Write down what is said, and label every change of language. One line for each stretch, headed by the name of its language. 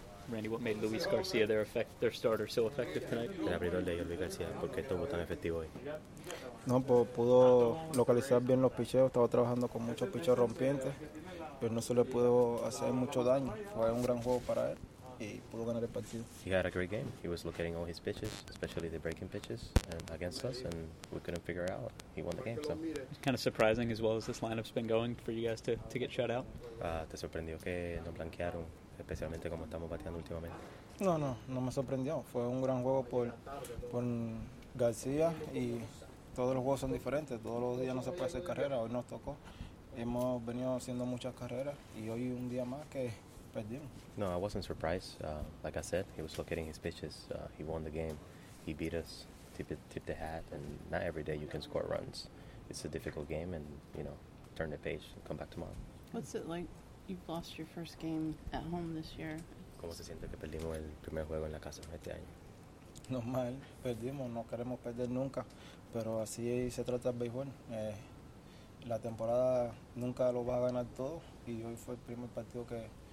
English: Randy, what made Luis Garcia their starter so effective tonight?
Spanish: El abridor de ellos, Luis García, ¿por qué estuvo tan efectivo hoy? No, pues pudo localizar bien los picheos. Estaba trabajando con muchos picheos rompientes, pero no se le pudo hacer mucho daño. Fue un gran juego para él.
English: He had a great game. He was locating all his pitches, especially the breaking pitches against us, and we couldn't figure it out. He won the game. So. It's kind of surprising as well as this lineup's been going for you guys to get shut out.
Spanish: ¿Te sorprendió que nos blanquearon, especialmente como estamos bateando últimamente? No me sorprendió. Fue un gran juego por García, y todos los juegos son diferentes. Todos los días no se puede hacer carrera. Hoy nos tocó. Hemos venido haciendo muchas carreras, y hoy un día más que...
English: No, I wasn't surprised. Like I said, he was locating his pitches. He won the game. He beat us, tipped the hat, and not every day you can score runs. It's a difficult game, and, you know, turn the page and come back tomorrow. What's it like? You've lost your first game at home this year.
Spanish: ¿Cómo se siente que perdimos el primer juego en la casa este año? Normal. Perdimos. No queremos perder nunca. Pero así se trata el béisbol. La temporada nunca lo va a ganar todo, y hoy fue el primer partido que...